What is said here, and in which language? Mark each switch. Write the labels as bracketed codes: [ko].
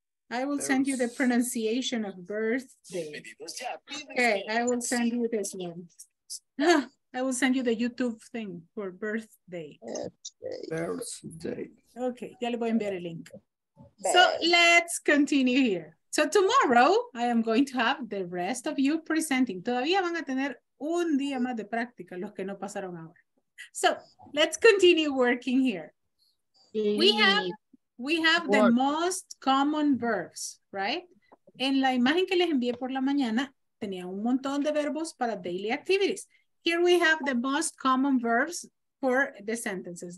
[en] I will send you the pronunciation of birthday. Okay, I will send you this one. I will send you the YouTube thing for birthday. Birthday. [es] Okay, ya le voy a enviar el link. [en] So let's continue here. So tomorrow I am going to have the rest of you presenting. [es] Todavía van a tener un día más de práctica los que no pasaron ahora. [en] So let's continue working here. We have the most common verbs, right? [es] En la imagen que les envié por la mañana, tenía un montón de verbos para [en] daily activities. Here we have the most common verbs for the sentences.